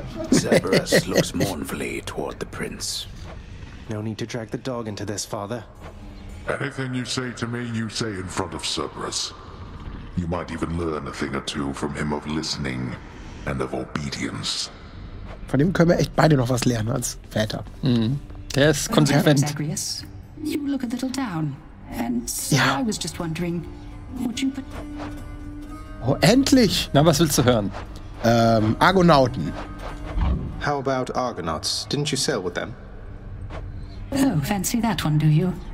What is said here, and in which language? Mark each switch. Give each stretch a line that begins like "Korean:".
English: Cerberus looks mournfully toward the prince. No need to drag the dog into this, father. Anything you say to me, you say in front of Cerberus. You might even learn a thing or two from him of listening and of obedience.
German: Von ihm können wir echt beide noch was lernen als Väter. Der ist konsequent.
English: You look a little down. And I was just wondering, would you put...
German: Oh, endlich! Na, was willst du hören? Argonauten.
English: How about Argonauts? Didn't you sail with them? Oh, fancy that one, do you?